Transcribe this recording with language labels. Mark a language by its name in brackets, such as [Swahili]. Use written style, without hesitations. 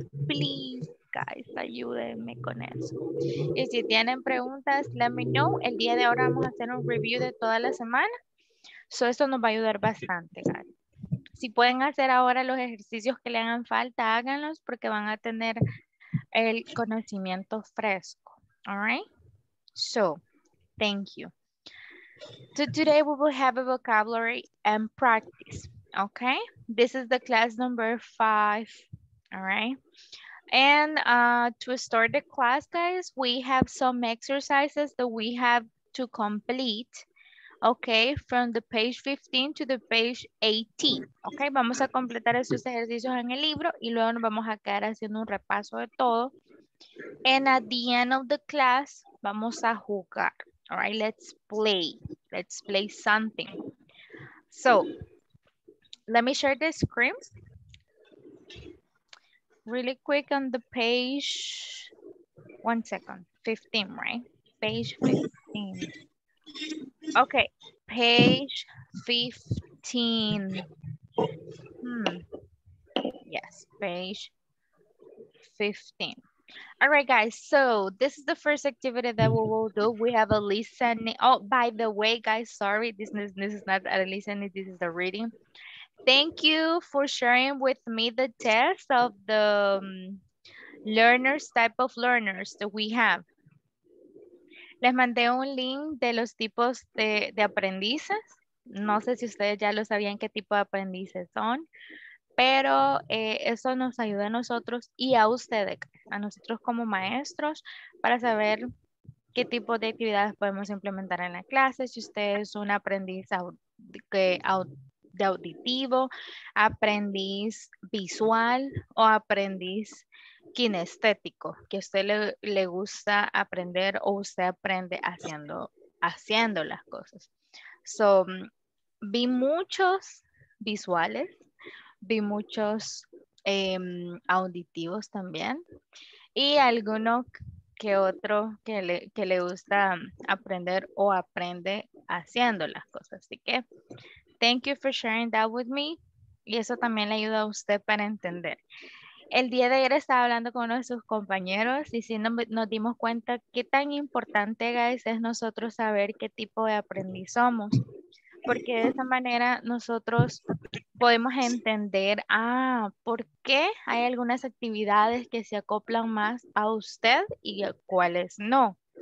[English] Please, guys, [Spanish] ayúdenme con eso. Y si tienen preguntas, [English] let me know. [Spanish] El día de ahora vamos a hacer un review de toda la semana. So esto nos va a ayudar bastante, guys. Si pueden hacer ahora los ejercicios que le hagan falta, háganlos porque van a tener el conocimiento fresco. [English] All right? So, thank you. So today we will have a vocabulary and practice. Okay? This is the class number 5. All right? And to start the class, guys, we have some exercises that we have to complete. Okay, from the page 15 to the page 18. [Spanish] Okay, vamos a completar esos ejercicios en el libro y luego nos vamos a quedar haciendo un repaso de todo. [English] And at the end of the class, [Spanish] vamos a jugar. [English] All right, let's play. Let's play something. So, let me share the screen. Really quick on the page, 1 second, 15, right? Page 15. Okay, page 15. Yes, page 15. All right, guys, so this is the first activity that we will do. We have a listening. Oh, by the way, guys, sorry, this is not a listening, this is the reading. Thank you for sharing with me the test of the learners, type of learners that we have. [Spanish] Les mandé un link de los tipos de aprendices. No sé si ustedes ya lo sabían qué tipo de aprendices son, pero eso nos ayuda a nosotros y a ustedes, a nosotros como maestros, para saber qué tipo de actividades podemos implementar en la clase. Si usted es un aprendiz de auditivo, aprendiz visual o aprendiz kinestético, que a usted le gusta aprender o usted aprende haciendo las cosas. So, vi muchos visuales, vi muchos auditivos también y alguno que otro que le gusta aprender o aprende haciendo las cosas. Así que, [English] thank you for sharing that with me. [Spanish] Y eso también le ayuda a usted para entender. El día de ayer estaba hablando con uno de sus compañeros y sí nos dimos cuenta qué tan importante, guys, es nosotros saber qué tipo de aprendiz somos. Porque de esa manera nosotros podemos entender, ¿por qué hay algunas actividades que se acoplan más a usted y cuáles no?